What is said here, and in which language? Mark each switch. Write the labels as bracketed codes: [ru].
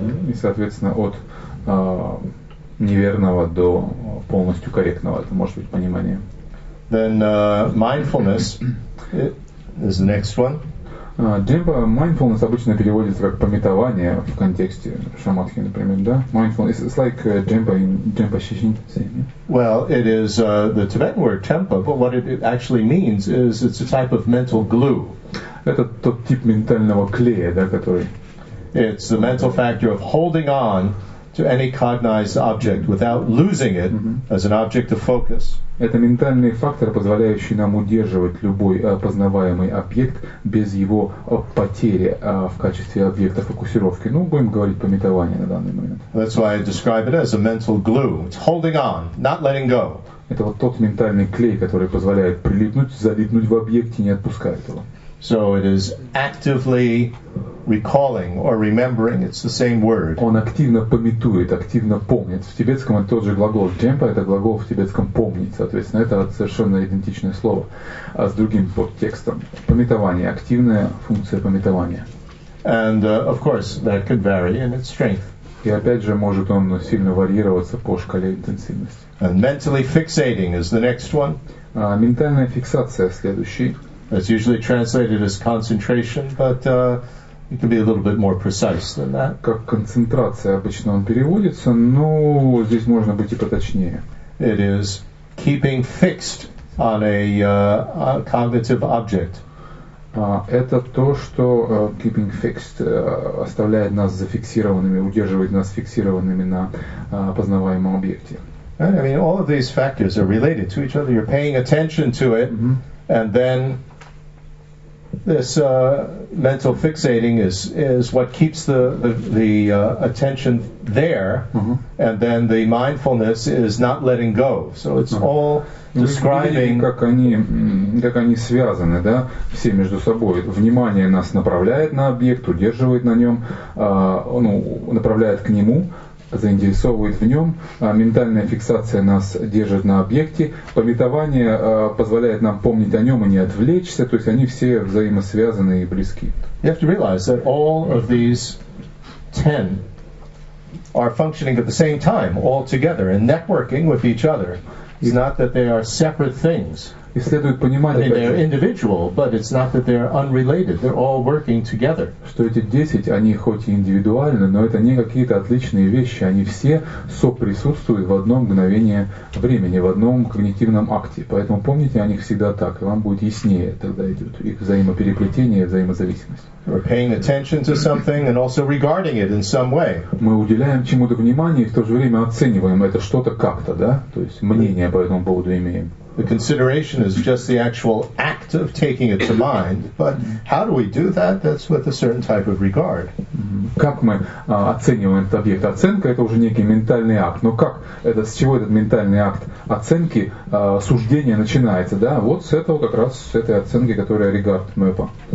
[ru] И, соответственно, от неверного до полностью корректного. Это может быть понимание. [en] Then mindfulness is the next one. [ru] Джемпа, mindfulness обычно переводится как пометование в контексте шаматхи, например, да? [en] Mindfulness, it's like джемпа in джемпа шишин. Well, it is the Tibetan word tempa, but what it actually means is it's a type of mental glue. [ru] Это тот тип ментального клея, да, который... [en] It's the mental factor of holding on to any cognized object without losing it as an object of focus. [ru] Это ментальный фактор, позволяющий нам удерживать любой познаваемый объект без его потери в качестве объекта фокусировки. Ну, будем говорить пометование на данный момент. [en] That's why I describe it as a mental glue. It's holding on, not letting go. [ru] Это вот тот ментальный клей, который позволяет прилипнуть, залипнуть в объекте, не отпуская этого. [en] So it is actively recalling or remembering. It's the same word. [ru] Он активно памятует, активно помнит. В тибетском это тот же глагол. Джемпа — это глагол в тибетском помнить. Соответственно, это совершенно идентичное слово с другим подтекстом. Памятование, активная функция памятования. [en] And of course, that could vary in its strength. [ru] И опять же, может он сильно варьироваться по шкале интенсивности. [en] And mentally fixating is the next one. [ru] Ментальная фиксация следующий. [en] It's usually translated as concentration, but it can be a little bit more precise than that. [ru] Как концентрация обычно он переводится, но здесь можно быть и поточнее. [en] It is keeping fixed on a cognitive object. [ru] Это то, что [en] keeping fixed [ru] оставляет нас зафиксированными, удерживает нас фиксированными на познаваемом объекте. [en] And, I mean, all of these factors are related to each other. You're paying attention to it, and then this mental fixating is what keeps the attention there, and then the mindfulness is not letting go. So it's all describing. [ru] Вы видите, как они связаны, да, все между собой. Внимание нас направляет на объект, удерживает на нем, направляет к нему. Заинтересовывает в нем, ментальная фиксация нас держит на объекте, памятование позволяет нам помнить о нем и не отвлечься, то есть они все взаимосвязаны и близки. [en] You have to realize that all of these 10 are functioning at the same time, all together, and networking with each other. It's not that they are separate things. [ru] И следует понимать, [en] I mean, they're individual, but it's not that they're unrelated. They're all working together. [ru] Что эти 10, они хоть и индивидуальны, но это не какие-то отличные вещи. Они все соприсутствуют в одно мгновение времени, в одном когнитивном акте. Поэтому помните о них всегда так, и вам будет яснее тогда идет их взаимопереплетение, взаимозависимость. [en] We're paying attention to something and also regarding it in some way. [ru] Мы уделяем чему-то внимание и в то же время оцениваем это что-то как-то, да? То есть мнение по этому поводу имеем. [en] The consideration is just the actual act of taking it to mind. But how do we do that? That's with a certain type of regard. [ru] Как мы оцениваем этот объект? Оценка — это уже некий ментальный акт. Но как это, с чего этот ментальный акт оценки, суждения начинается? Да, вот с этого как раз, с этой оценки, которая регард мэпа.